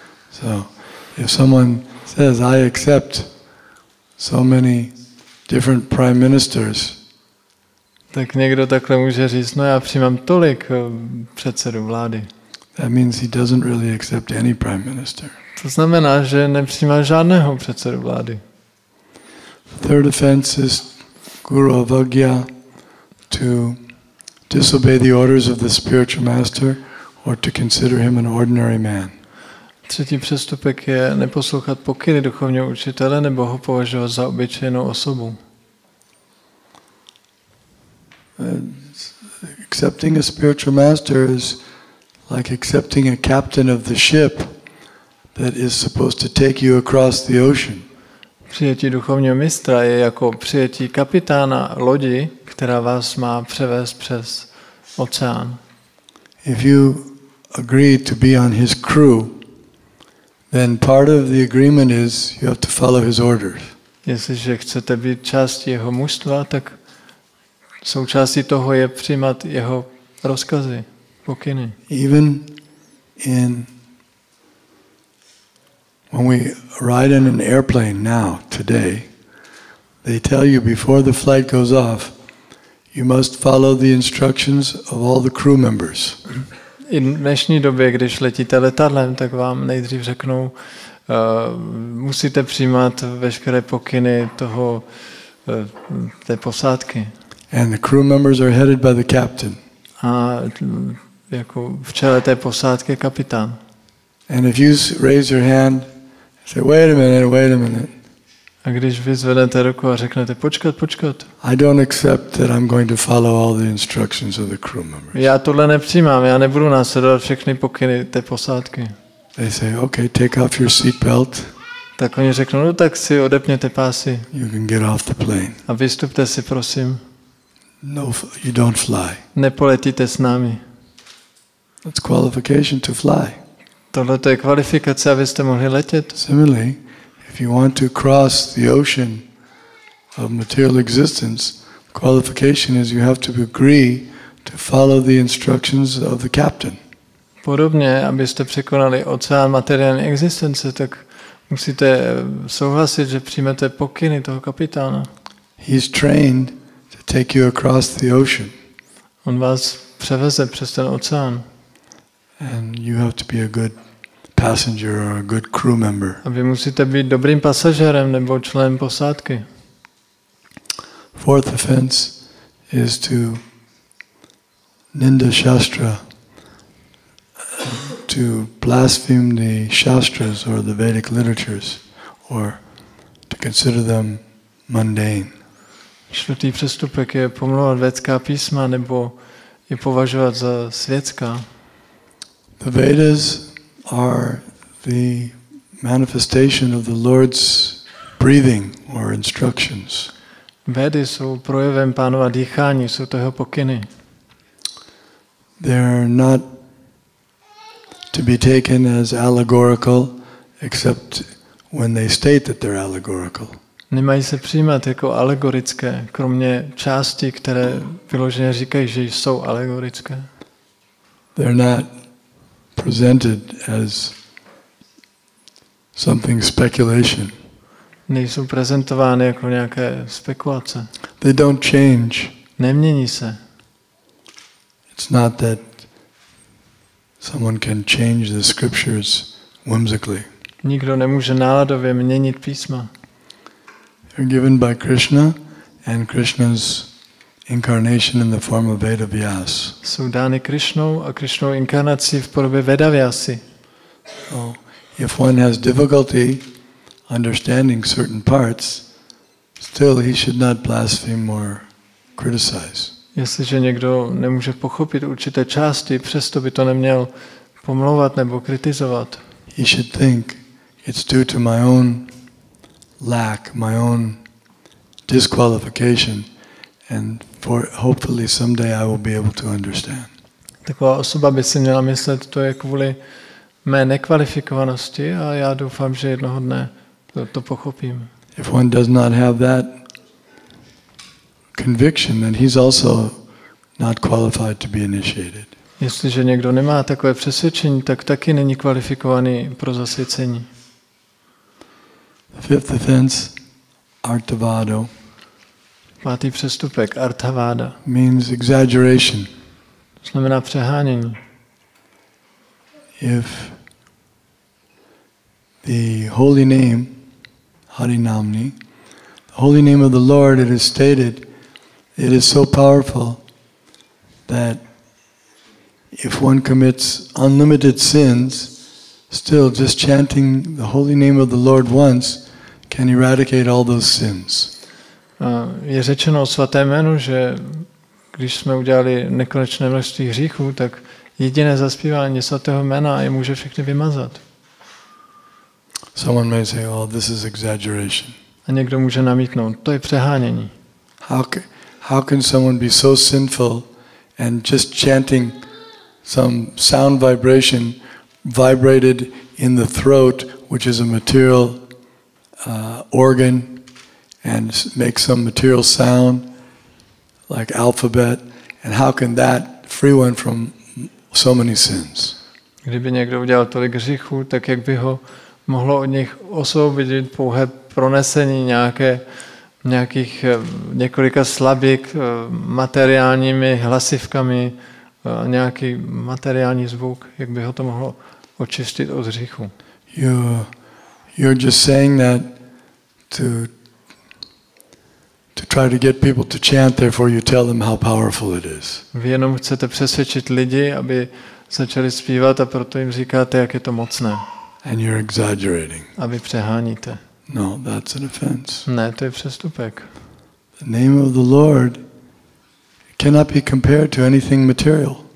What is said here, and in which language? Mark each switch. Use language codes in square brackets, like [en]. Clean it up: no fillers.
[en] So if someone says, I accept so many different prime ministers. [cs] Tak někdo takhle může říct, no já přijímám tolik předsedu vlády. [en] That means he doesn't really accept any prime minister. [cs] To znamená, že nepřijímá žádného předsedu vlády. [en] Third offense is guru avagya, to disobey the orders of the spiritual master or to consider him an ordinary man. [cs] Třetí přestupek je neposlouchat pokyny duchovního učitele nebo ho považovat za obyčejnou osobu. [en] Accepting a spiritual master is like accepting a captain of the ship that is supposed to take you across the ocean. [cs] Přijetí duchovního mistra je jako přijetí kapitána lodi, která vás má převést přes oceán. [en] If you agree to be on his crew, then part of the agreement is you have to follow his orders. [cs] Jestliže chcete být částí jeho mužstva, tak součástí toho je přijímat jeho rozkazy, pokyny. [en] Even in when we ride in an airplane now, today, they tell you before the flight goes off, you must follow the instructions of all the crew members. [cs] I v dnešní době, když letíte letadlem, tak vám nejdřív řeknou, musíte přijímat veškeré pokyny toho, té posádky. [en] And the crew members are headed by the captain. [cs] A jako v čele té posádky kapitán. [en] And if you raise your hand, say, wait a minute, wait a minute. [cs] A když vy zvednete ruku a řeknete počkat. [en] I don't accept that I'm going to follow all the instructions of the crew members. [cs] Já tohle nepřijímám, já nebudu následovat všechny pokyny té posádky. [en] They say, okay, take off your seat belt. [cs] Tak oni řeknou, no tak si odepněte pásy. [en] You can get off the plane. [cs] A vystupte si, prosím. [en] No, you don't fly. [cs] Nepoletíte s námi. [en] That's qualification to fly. [cs] Tohle to je kvalifikace, abyste mohli letět. [en] Similarly, if you want to cross the ocean of material existence, qualification is you have to agree to follow the instructions of the captain. [cs] Podobně, abyste překonali oceán materiální existence, tak musíte souhlasit, že přijmete pokyny toho kapitána. [en] He's trained to take you across the ocean. [cs] On vás převeze přes ten oceán. [en] And you have to be a good passenger or a good crew member. [cs] A vy musíte být dobrým pasažérem nebo členem posádky. [en] Fourth offense is to ninda shastra, to blaspheme the shastras or the Vedic literatures, or to consider them mundane. [cs] Čtvrtý přestupek je pomlouvat vědská písma nebo je považovat za světská. [en] The Vedas are the manifestation of the Lord's breathing or instructions. [cs] Vedy jsou projevem pánova dýchání, jsou to jeho pokyny. [en] They're not to be taken as allegorical, except when they state that they're allegorical. [cs] Nemají se přijímat jako alegorické, kromě části, které vyloženě říkají, že jsou alegorické. [en] They're not presented as something speculation. [cs] Nejsou prezentovány jako nějaké spekulace. [en] They don't change. [cs] Nemění se. [en] It's not that someone can change the scriptures whimsically. [cs] Nikdo nemůže náladově měnit písma. [en] They're given by Krishna and Krishna's incarnation in the form of Veda Vyas. [cs] Jsou dány Krishnou a Krishnou inkarnací v podobě Veda Vyasy. [en] So, if one has difficulty understanding certain parts, still he should not blaspheme or criticize. [cs] Jestliže někdo nemůže pochopit určité části, přesto by to neměl pomlouvat nebo kritizovat. [en] He should think it's due to my own lack, my own disqualification, and for hopefully someday I will be able to understand. [cs] Taková osoba by si měla myslet, to je kvůli mé nekvalifikovanosti a já doufám, že jednoho dne to pochopím. [en] If one does not have that conviction, then he's also not qualified to be initiated. [cs] Jestliže někdo nemá takové přesvědčení, tak taky není kvalifikovaný pro zasvěcení. [en] The fifth offense, artavado. [cs] Pátý přestupek, artavada. [en] Means exaggeration. [cs] To znamená přehánění. [en] If the holy name, Harinamni, the holy name of the Lord, it is stated, it is so powerful that if one commits unlimited sins, still just chanting the holy name of the Lord once can eradicate all those sins. [cs] Je řečeno o svaté jméno, že když jsme udělali nekonečné množství hříchů, tak jediné zaspívání svatého jména je může všechny vymazat. [en] Someone may say, "Oh, this is exaggeration." [cs] A někdo může namítnout, to je přehánění. [en] How can someone be so sinful and just chanting some sound vibration vibrated in the throat, which is a material organ, and make some material sound like alphabet, and how can that free one from so many sins? [cs] Kdyby někdo udělal tolik hříchů, tak jak by ho mohlo od nich osvobodit pouhé pronesení nějakých několika slabik materiálními hlasivkami, nějaký materiální zvuk, jak by ho to mohlo očistit od hříchu? [en] You're just saying that to try to get people to chant, therefore you tell them how powerful it is. [cs] Vy jenom chcete přesvědčit lidi, aby začali zpívat, a proto jim říkáte, jak je to mocné. [en] And you're exaggerating. [cs] A vy přeháníte. [en] No, that's an offense. [cs] Ne, to je přestupek. [en] The name of the Lord cannot be compared to anything material.